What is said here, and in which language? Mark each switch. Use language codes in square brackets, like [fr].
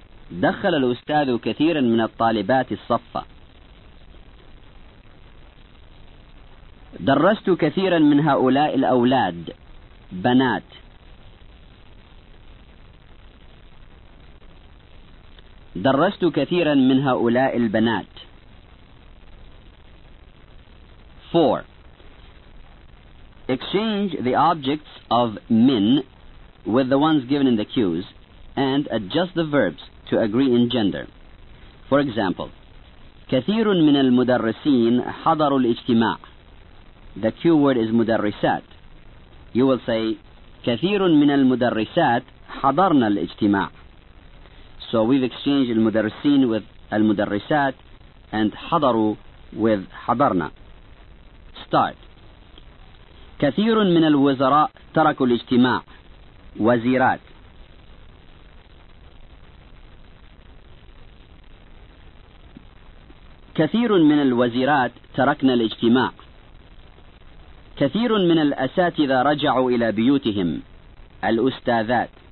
[ar] دخل الأستاذ كثيرا من الطالبات الصف، درست كثيرا من هؤلاء الأولاد بنات، درست كثيرا من هؤلاء البنات. 4. [en] Exchange the objects of min with the ones given in the cues and adjust the verbs to agree in gender. For example, [ar] كثير من المدرسين حضروا الاجتماع. [en] The cue word is مدرسات. You will say [ar] كثير من المدرسات حضرنا الاجتماع. [en] So we've exchanged المدرسين with المدرسات and حضروا with حضرنا. Start. [ar] كثير من الوزراء تركوا الاجتماع. وزيرات. كثير من الوزيرات تركنا الاجتماع. كثير من الأساتذة رجعوا إلى بيوتهم. الأستاذات.